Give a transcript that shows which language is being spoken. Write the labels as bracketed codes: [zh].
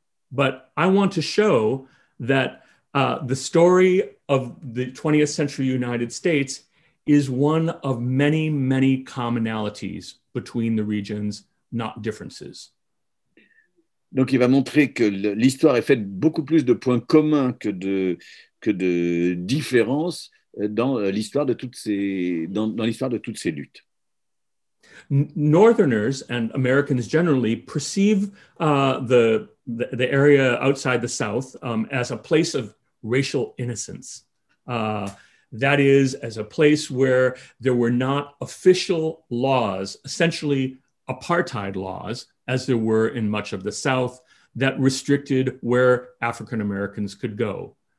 [en] But I want to show that the story of the 20th century United States is one of many, many commonalities between the regions, not differences. [fr] Donc il va montrer que l'histoire est faite beaucoup plus de points communs que de différences dans l'histoire de toutes ces luttes. [en] Northerners and Americans generally perceive the area outside the South as a place of racial innocence. That is, as a place where there were not official laws, essentially apartheid laws, as there were in much of the South, that restricted where African Americans could go.